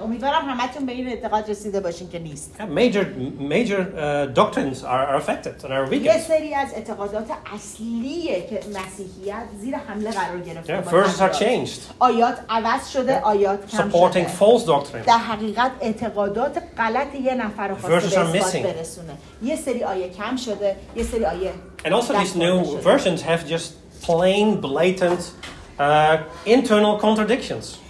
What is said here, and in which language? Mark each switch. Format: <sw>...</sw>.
<fa>امیدوارم همتون به این اعتقاد رسیده باشین که نیست.</fa> <en>Yeah, major doctrines are affected and are weakened.</en> <fa>یه سری از اعتقادات اصلی که مسیحیت زیر حمله قرار گرفته.</fa> <en>Yeah, verses are changed.</en> <fa>آیات عوض شده، آیات کم شده.</fa> <en>Supporting false doctrines.</en> <fa>در حقیقت اعتقادات غلط یه نفر رو خواسته به اثبات برسونه. یه سری آیه کم شده، یه سری آیه.</fa> <en>And also these new versions have just plain blatant internal contradictions.</en>